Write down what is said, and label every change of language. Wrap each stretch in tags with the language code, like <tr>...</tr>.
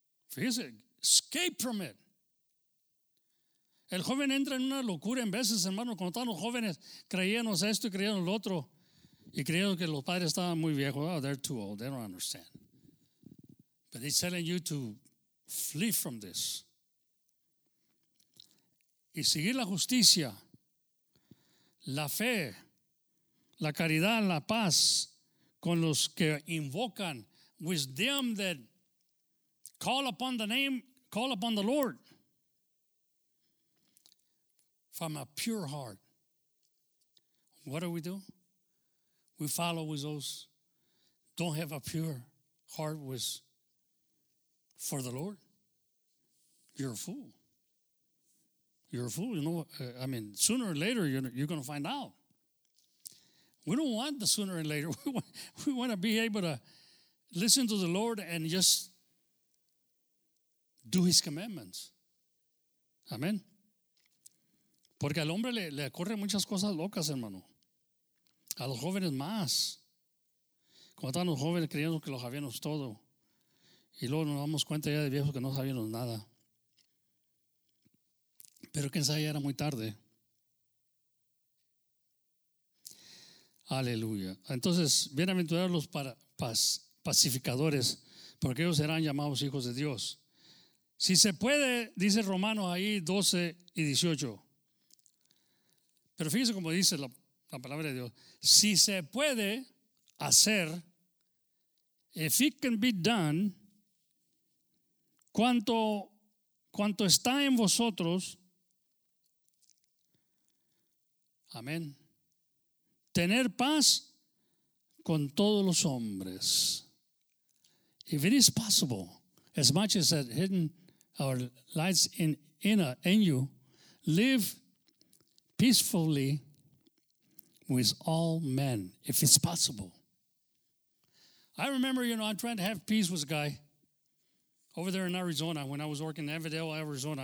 <es>Fíjese,</es> <en>escape from it.</en> <es>El joven entra en una locura en veces, hermano. Cuando estaban los jóvenes, creíamos esto y creíamos lo otro. Y creyeron que los padres estaban muy viejos.</es> <en>Oh, they're too old. They don't understand. But they're telling you to flee from this.</en> <es>Y seguir la justicia, la fe, la caridad, la paz con los que invocan,</es> <en>with them that call upon the name, call upon the Lord from a pure heart. What do we do? We follow with those don't have a pure heart with for the Lord. You're a fool. You know, I mean, sooner or later, you're going to find out. We don't want the sooner and later. We want to be able to listen to the Lord and just do His commandments. Amen.</en> <es>Porque al hombre le ocurren muchas cosas locas, hermano. A los jóvenes más. Cuando estaban los jóvenes creyendo que lo sabíamos todo. Y luego nos damos cuenta ya de viejos que no sabíamos nada. Pero quién sabe, ya era muy tarde. Aleluya. Entonces, bienaventurados los pacificadores, porque ellos serán llamados hijos de Dios. Si se puede, dice Romanos ahí 12 y 18. Pero fíjense cómo dice la palabra de Dios. Si se puede hacer,</es> <en>if it can be done,</en> <es>cuanto está en vosotros, amén, tener paz con todos los hombres.</es> <en>If it is possible, as much as that hidden our lights in you, live peacefully with all men, if it's possible. I remember, you know, I'm trying to have peace with a guy over there in Arizona when I was working in Avondale, Arizona.</en>